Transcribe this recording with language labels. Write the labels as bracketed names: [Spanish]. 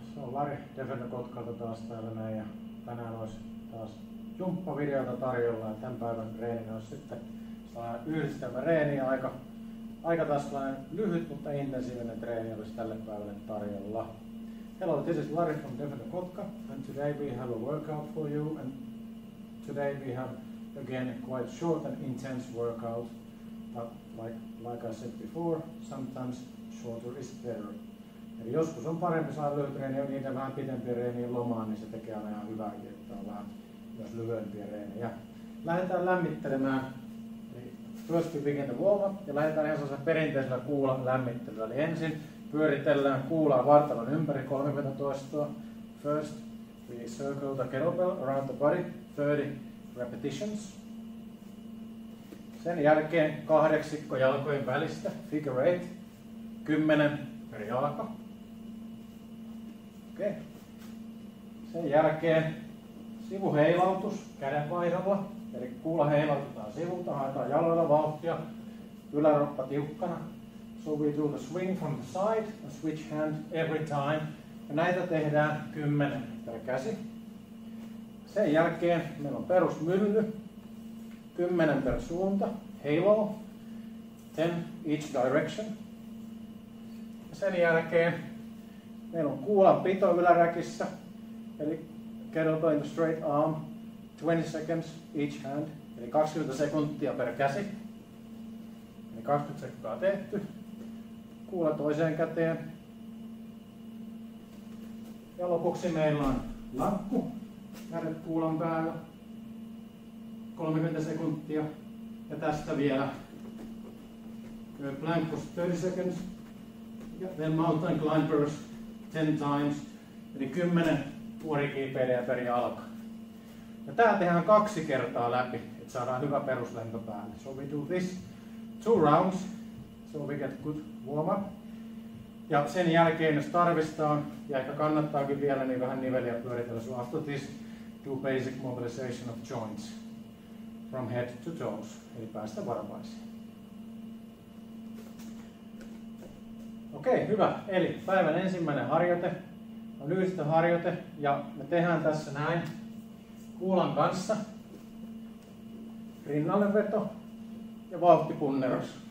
[Finnish] Se on Lari Defender Kotkalta taas täällä näin. Ja tänään olisi taas jumppavideota tarjolla. Ja tämän päivän reeni olisi sitten sellainen yhdistelmä reeni. Aika taas sellainen lyhyt, mutta intensiivinen treeni olisi tälle päivälle tarjolla. [English] Hello, this is Lari from Defender Kotka. And today we have a workout for you. And today we have again quite short and intense workout. But like I said before, sometimes shorter is better. [Finnish] Eli joskus on parempi saada lyhyt reeni, on niitä vähän pitempiä reeniä lomaan, niin se tekee aina ihan hyvääkin, että on vähän myös lyhyempiä reenejä. Lähdetään lämmittelemään. Eli [English] first we begin the warm-up [Finnish] ja lähdetään ihan sellaisella perinteisellä kuulan lämmittelyllä. Eli ensin pyöritellään kuulaa vartalon ympäri 30 toistoa. [English] First we circle the kettlebell around the body, 30 repetitions. [Finnish] Sen jälkeen kahdeksikko jalkojen välistä, [English] figure 8, [Finnish] 10 per jalka. Okei. Sen jälkeen sivuheilautus kädenvaihdolla, eli kuulla heilautetaan sivulta, haetaan jaloilla vauhtia, yläroppa tiukkana. [English] So we do the swing from the side and switch hand every time. [Finnish] Ja näitä tehdään 10 per käsi. Sen jälkeen meillä on perusmylly, 10 per suunta, halo, [English] 10 each direction. [Finnish] Sen jälkeen meillä on kuulan pito yläräkissä, eli [English] kettlebell in the straight arm, 20 seconds each hand, [Finnish] eli 20 sekuntia per käsi. Eli 20 sekuntia tehty. Kuula toiseen käteen. Ja lopuksi meillä on lankku kädet kuulan päällä, 30 sekuntia. Ja tästä vielä [English] plank was 30 seconds. [Finnish] Ja [English] then mountain climbers 10 times, [Finnish] eli 10 kuorikiipeilijä per jalka. Ja tää tehdään 2 kertaa läpi, että saadaan hyvä peruslento päälle. [English] So we do this 2 rounds, so we get good warm up. [Finnish] Ja sen jälkeen, jos tarvistaan, ja ehkä kannattaakin vielä, niin vähän niveliä pyöritellä. [English] So after this, do basic mobilization of joints from head to toes, [Finnish] eli päästä varpaisiin. Okei, hyvä. Eli päivän ensimmäinen harjoite on yhdistöharjoite ja me tehdään tässä näin kuulan kanssa rinnalleveto ja vauhtipunnerus.